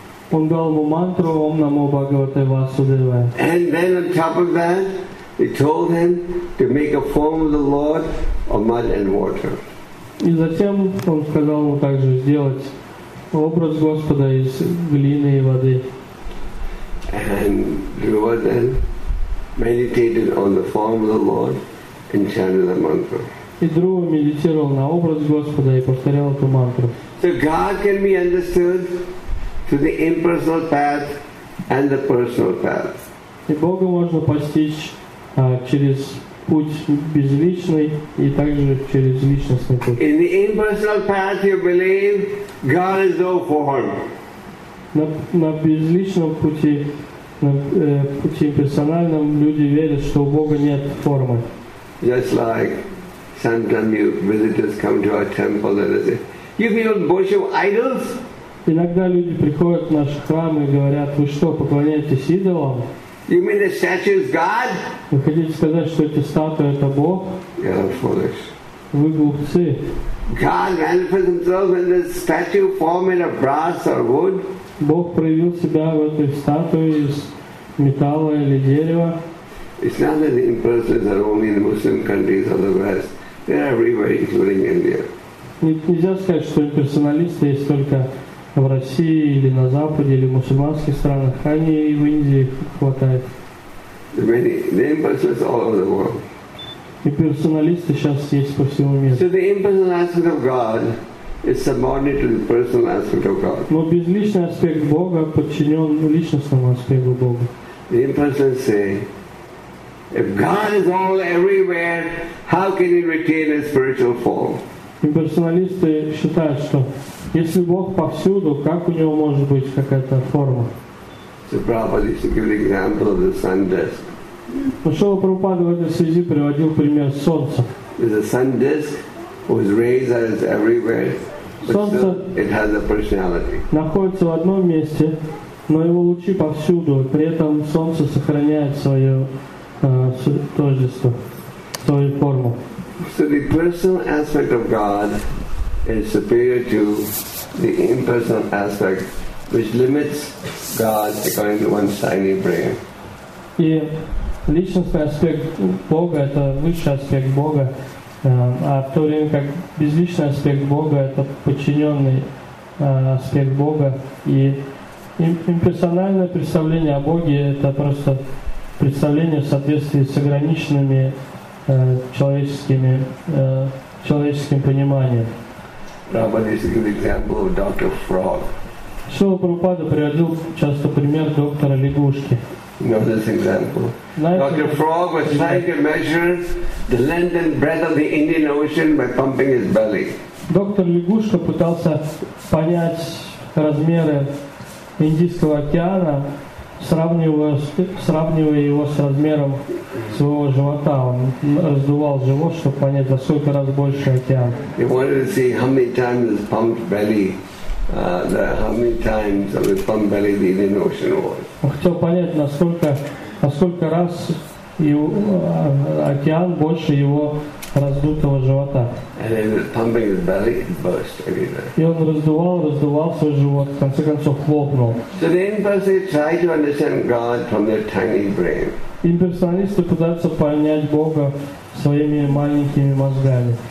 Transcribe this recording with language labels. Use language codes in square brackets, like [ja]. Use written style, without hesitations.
[ru] Он дал ему мантру Ом Намо Бхагавате Васудевая. [en] And then on top of that, he told him to make a form of the Lord of mud and water. [ru] И затем он сказал ему также сделать образ Господа из глины и воды. [en] And Dhruva then meditated on the form of the Lord and chanted the mantra. [ru] И Дрова медитировал на образ Господа и повторял эту мантру. [en] So God can be understood through the impersonal path and the personal path. [ru] И Бога можно постичь через путь безличный и также через личностный путь. [en] In the impersonal path you believe God is no form. [ru] На безличном пути, пути персональном, люди верят, что у Бога нет формы. [en] Just like sometimes you visitors come to our temple and they say, "You people worship idols?" [ru] Иногда люди приходят в наш храм и говорят: "Вы что, поклоняетесь идолам?" [en] You mean the statue is God? [ru] Вы хотите сказать, что эти статуи — это Бог? [en] You're foolish. [ru] Вы глупцы. [en] God manifests himself in the statue form in a brass or wood. [ru] Бог проявил себя в этой статуе из металла или дерева. [en] It's not that the impersonals are only in Muslim countries or the West. They are everywhere, including India. [ru] Нельзя сказать, что имперсоналисты есть только в России или на Западе или в мусульманских странах. Они и в Индии хватает. [en] The impersonals all over the world. [ru] Имперсоналисты сейчас есть по всему миру. [en] So the impersonal aspect of God is subordinate to the personal aspect of God. [ru] Но безличный аспект Бога подчинен личностному аспекту Бога. [en] The impersonals say, if God is all everywhere, how can he retain his spiritual form? [ru] Имперсоналисты считают, что если Бог повсюду, как у него может быть какая-то форма? [en] So Prabhupada used to give the example of the sun disk. [ru] Шрила Прабхупада в этой связи приводил пример солнца. [en] There's a sun disk whose rays are everywhere, but [ru] солнце [en] still it has a personality. [ru] Находится в одном месте, но его лучи повсюду, при этом солнце сохраняет свое тождество, свою форму. [en] So the personal aspect of God is superior to the impersonal aspect, which limits God according to one's tiny brain. [ru] И личностный аспект Бога — это высший аспект Бога, а в то время как безличный аспект Бога — это подчиненный аспект Бога. И имперсональное представление о Боге — это просто представление в соответствии с ограниченными человеческим пониманием. [en] Prabhupada used to give the example of Dr. Frog. [ru] Шрила Прабхупада приводил часто пример доктора лягушки. [en] Dr. Frog was trying to measure the length and breadth of the Indian Ocean by pumping his belly. [ru] Доктор лягушка пытался понять размеры Индийского океана, сравнивая его с размером своего живота. Он раздувал живот, чтобы понять, за сколько раз больше океан. [en] He wanted to see how many times his pumped belly. How many times of his pump belly the Indian Ocean was? [ru] Он хотел понять, насколько раз океан больше его раздутого живота. [en] And he was pumping his belly, it burst everywhere. [ru] И он раздувал свой живот, в конце концов хлопнул. [en] So the impersonalists try to understand God from their tiny brain. [ru] Имперсоналисты пытаются понять Бога своими маленькими мозгами.